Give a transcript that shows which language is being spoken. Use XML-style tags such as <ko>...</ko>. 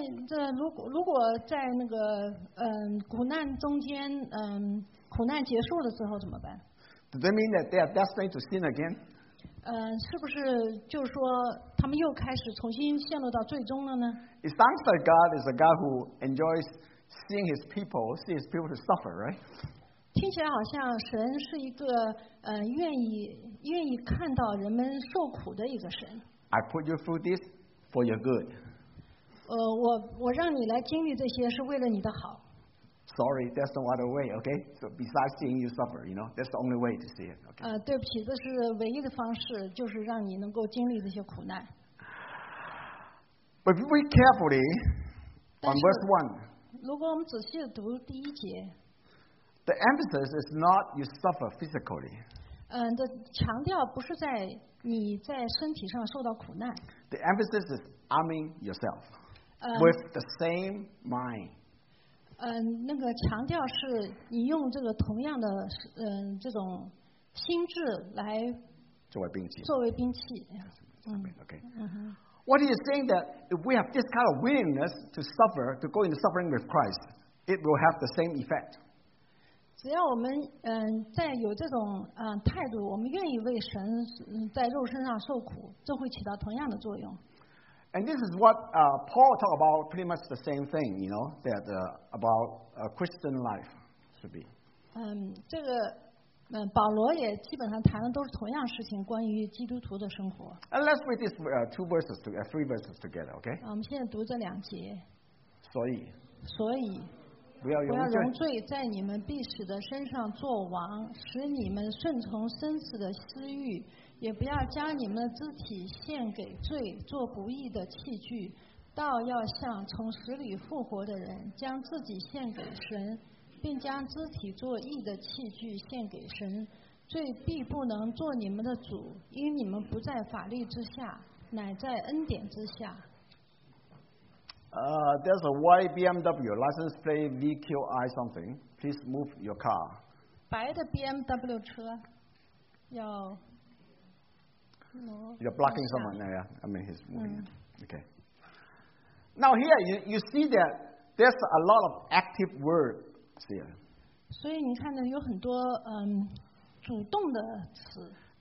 <zh>如果在那个苦难中间苦难结束的时候怎么办？</zh> <en>Does that mean that they are destined to sin again?</en> <zh>是不是就是说他们又开始重新陷入到最终了呢？</zh> <en>It sounds like God is a God who enjoys seeing His people to suffer, right?</en> <zh>听起来好像神是一个愿意看到人们受苦的一个神。</zh> <en>I put you through this for your good.</en> <zh>我让你来经历这些是为了你的好。</zh> <en>Sorry, that's the other way, okay? So besides seeing you suffer, you know, that's the only way to see it.</en> <zh>对不起，这是唯一的方式，就是让你能够经历这些苦难。</zh> <en>But if we carefully on verse one,</en> <zh>如果我们仔细读第一节。</zh> <en>The emphasis is not you suffer physically.</en> <zh>的强调不是在你在身体上受到苦难。</zh> <en>The emphasis is arming yourself with the same mind.</en> <zh>那个强调是你用这个同样的这种心智来作为兵器。嗯，OK。</zh> <en>What is saying that if we have this kind of willingness to suffer, to go into suffering with Christ, it will have the same effect.</en> <zh>只要我们在有这种态度，我们愿意为神在肉身上受苦，这会起到同样的作用。</zh> <en>And this is what Paul talked about, pretty much the same thing, you know, that about a Christian life should be.</en> <zh>这个保罗也基本上谈的都是同样事情，关于基督徒的生活。</zh> <en>And let's read this two verses together, three verses together, okay?</en> <zh>我们现在读这两节。所以。不要容罪在你们必死的身上作王，使你们顺从生死的私欲，也不要将你们的肢体献给罪做不义的器具，倒要像从死里复活的人，将自己献给神，并将肢体做义的器具献给神。罪必不能做你们的主，因你们不在法律之下，乃在恩典之下。</zh> <en>There's a white BMW license plate VQI something. Please move your car.</en> <zh>白的 BMW 车要</zh> <en>You're blocking someone. Yeah, yeah. I mean he's moving. Okay. Now here you see that there's a lot of active words here.</en> <zh>所以你看呢，有很多主动的词。</zh>